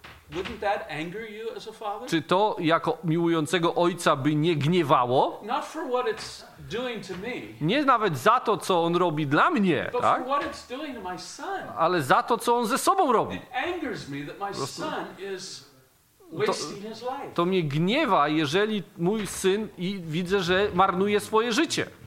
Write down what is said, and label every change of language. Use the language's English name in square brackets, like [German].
[English] wouldn't that anger you as a father? [Polish] Czy to jako miłującego ojca by nie gniewało? [English] Not for what it's doing to me, [Polish] nie nawet za to, co on robi dla mnie, [English] but [Polish] tak? [English] For what it's doing to my son. [Polish] Ale za to, co on ze sobą robi. [English] It angers me that my son is wasting his life. [Polish] To mnie gniewa, jeżeli mój syn i widzę, że marnuje swoje życie.